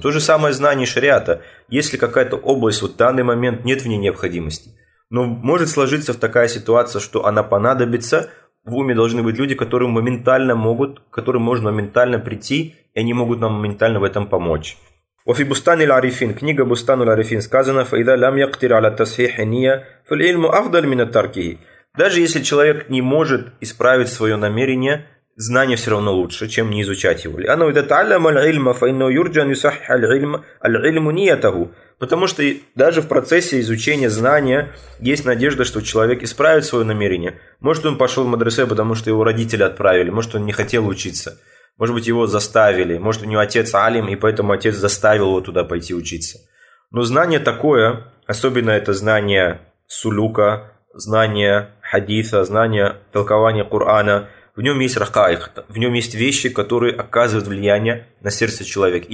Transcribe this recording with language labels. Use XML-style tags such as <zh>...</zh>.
<ru>То же самое знание шариата. Если какая-то область вот в данный момент нет в ней необходимости, но может сложиться в такая ситуация, что она понадобится, в уме должны быть люди, которые моментально могут, к которым можно моментально прийти, и они могут нам моментально в этом помочь.</ru> <ar>وفي بستان العارفين книга بستان العارفين сказано فإذا لم يقدر على تصحيح النية فالعلم أفضل من الترك.</ar> <ru>Даже если человек не может исправить свое намерение, знание все равно лучше, чем не изучать его.</ru> <ar>أنا إذا تعلم العلم فإنه يرجى أن يصحح العلم العلم نيته.</ar> <ru>Потому что даже в процессе изучения знания есть надежда, что человек исправит свое намерение. Может, он пошел в мадресе, потому что его родители отправили, может, он не хотел учиться. Может быть, его заставили, может, у него отец алим, и поэтому отец заставил его туда пойти учиться. Но знание такое, особенно это знание сулюка, знание хадиса, знание толкования Корана, в нем есть рахаих, в нем есть вещи, которые оказывают влияние на сердце человека.</ru>